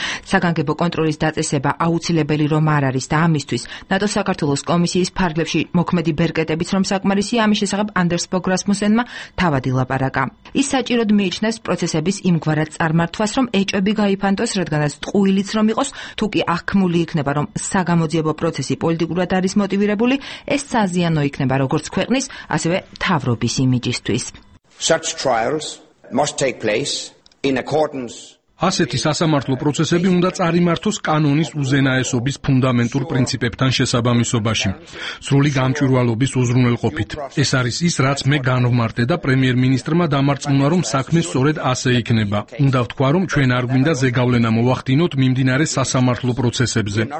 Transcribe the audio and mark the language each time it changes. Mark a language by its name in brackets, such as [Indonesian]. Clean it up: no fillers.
[Georgian] საგანგებო კონტროლის დაწესება აუცილებელი რომ არ არის და ამისთვის ნატო საქართველოს კომისიის ფარგლებში მოქმედი ბერკეტებიც რომ საკმარისია, ამის შესახებ ანდერს ფო გრასმუსენმა თავად ილაპარაკა. ის საჭიროდ მიიჩნევს პროცესების იმგვარად წარმართვას, რომ ეჭები გაიფანტოს, რადგანაც ტყუილიც რომ იყოს, თუკი აღქმული იქნება, რომ საგამოძიებო პროცესი პოლიტიკურად არის მოტივირებული, ეს საზიანო იქნება როგორც ქვეყნის, ასევე თავრობის იმიჯისთვის. [English] Such trials must take place in accordance. [Georgian] ასეთი სასამართლო პროცესები უნდა წარიმართოს კანონის უზენაესობის ფუნდამენტურ პრინციპებთან შესაბამისობაში, სრული გამჭვირვალობის უზრუნველყოფით. ეს არის ის, რაც მე განვმარტე და პრემიერ-მინისტრმა დამარწმუნა, რომ საქმე სწორედ ასე იქნება. უნდა ვთქვა, რომ ჩვენ არ გვინდა ზეგავლენა მოვახდინოთ მიმდინარე სასამართლო პროცესებზე.